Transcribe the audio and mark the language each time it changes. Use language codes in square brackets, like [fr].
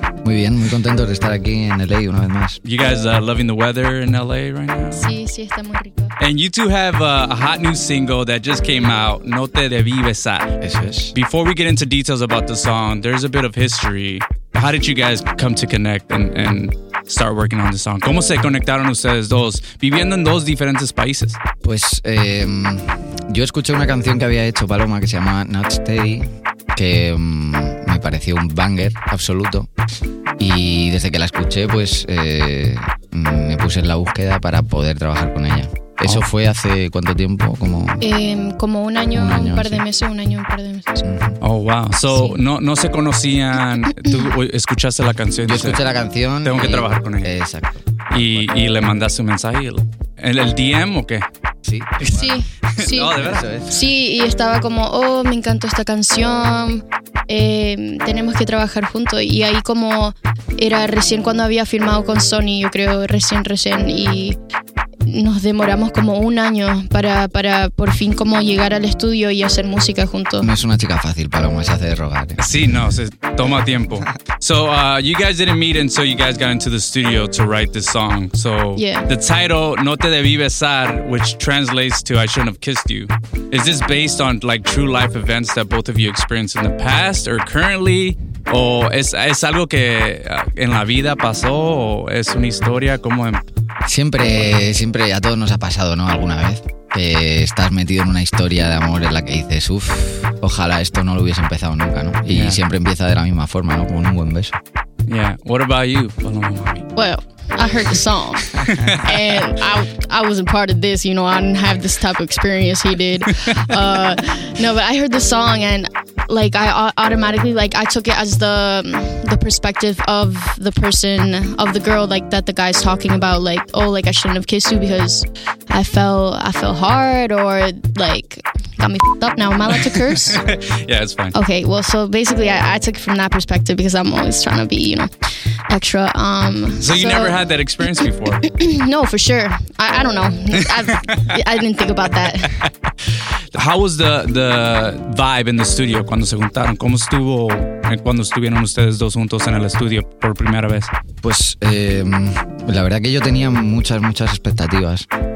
[es] Muy bien, muy contento de estar aquí en LA una vez más. [en] You guys are loving the weather in LA right now? [es] Sí, sí, está muy rico. [en] And you two have a hot new single that just came out, No Te Debí Besar. [es] Eso es. [en] Before we get into details about the song, there's a bit of history. How did you guys come to connect and start working on the song? [es] ¿Cómo se conectaron ustedes dos viviendo en dos diferentes países? Pues yo escuché una canción que había hecho Paloma que se llama Not Stay, que me pareció un banger absoluto, y desde que la escuché pues me puse en la búsqueda para poder trabajar con ella. ¿Eso oh. fue hace cuánto tiempo? Como, como un año, un par sí. de meses, un año, un par de meses. Oh, wow. So, sí. no se conocían. ¿Tú escuchaste la canción? Yo escuché la canción. Tengo que trabajar con ella. Exacto. Y le mandaste un mensaje. ¿El DM o qué? Sí. Bueno. Sí. Sí. No, de verdad. Sí, y estaba como, oh, me encantó esta canción. Tenemos que trabajar juntos. Y ahí como era recién cuando había firmado con Sony, yo creo, recién. Y nos demoramos como un año para por fin como llegar al estudio y hacer música juntos. No es una chica fácil, Paloma, se hace de rogar. Sí, no, se toma tiempo. [en] So, you guys didn't meet until you guys got into the studio to write this song. So, yeah. The title, No Te Debí Besar, which translates to I Shouldn't Have Kissed You, is this based on like true life events that both of you experienced in the past or currently? [es] ¿O es algo que en la vida pasó o es una historia como en...? Siempre a todos nos ha pasado, ¿no? Alguna vez que estás metido en una historia de amor en la que dices, uff, ojalá esto no lo hubiese empezado nunca, ¿no? Y yeah. siempre empieza de la misma forma, ¿no? Con un buen beso. [en] Yeah. What about you? Well, I heard the song. And I wasn't part of this, you know, I didn't have this type of experience he did. No, but I heard the song and like I automatically like I took it as the perspective of the person, of the girl like that the guy's talking about, like, oh, like I shouldn't have kissed you because I felt hard or like got me f***ed up. Now am I allowed to curse? Yeah, it's fine. Okay, well, so basically I took it from that perspective because I'm always trying to be, you know, extra. So you never had that experience before? No, for sure. I don't know. I didn't think about that. how was the vibe in the studio [es] cuando se juntaron? ¿Cómo estuvo cuando estuvieron ustedes dos juntos en el estudio por primera vez? Pues la verdad que yo tenía muchas expectativas.